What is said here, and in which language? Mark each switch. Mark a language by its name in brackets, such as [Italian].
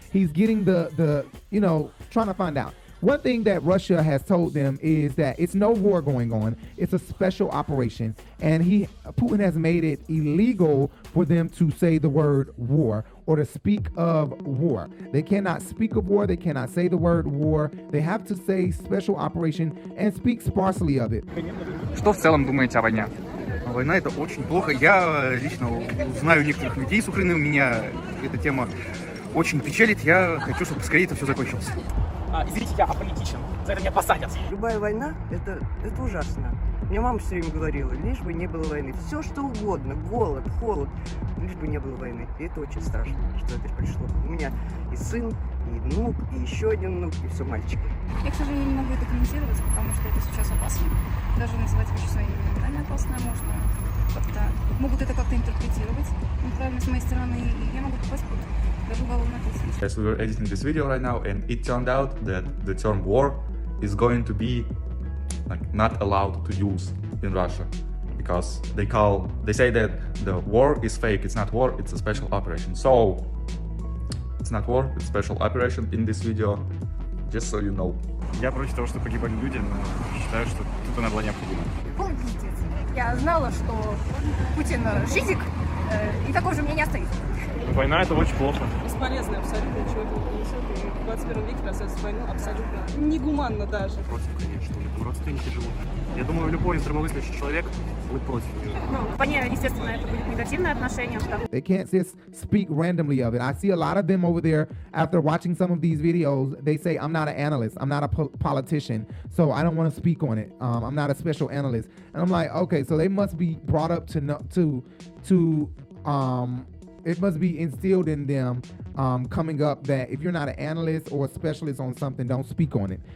[English] He's getting the you know, trying to find out. One thing that Russia has told them is that it's no war going on. It's a special operation. And Putin has made it illegal for them to say the word war or to speak of war. They cannot speak of war. They cannot say the word war. They have to say special operation and speak sparsely of it. [Russian] Что в целом думаете о войне? Война – это очень плохо. Я лично знаю некоторых людей с Украины. У меня эта тема очень печалит. Я хочу, чтобы скорее это все закончилось. Извините, я аполитичен. За это меня посадят. Любая война – это ужасно. Мне мама все время говорила, лишь бы не было войны. Все, что угодно – голод, холод – лишь бы не было войны. И это очень страшно, что это пришло. У меня и сын, и внук, и еще один внук, и все мальчик. Я, к сожалению, не могу это комментировать, потому что это сейчас опасно. Даже называть вещи своими именами опасно можно. как-то могут это как-то интерпретировать неправильно с моей стороны, и я могу попасть под даже уголовную ответственность. [English] Yes, we were editing this video right now, and it turned out that the term war is going to be like not allowed to use in Russia. Because they say that the war is fake, it's not war, it's a special operation. So it's not war, it's special operation in this video. Just so you know. [Russian] Я против того, что погибали люди, но считаю, что тут она была необходима. Помните, я знала, что Путин шизик, и такой же у меня не остается. Война это очень плохо. Бесполезно абсолютно, ничего этого не несет. И в 21 веке рассказывать войну абсолютно негуманно даже. Против, конечно, у родственники живут. Я думаю, любой здравомыслящий человек будет против. Ну, понятно, естественно, это будет негативное отношение. [English] They can't just speak randomly of it. I see a lot of them over there after watching some of these videos. They say, I'm not an analyst. I'm not a politician. So I don't want to speak on it. I'm not a special analyst. And I'm like, okay, so they must be brought up to it must be instilled in them coming up that if you're not an analyst or a specialist on something, don't speak on it.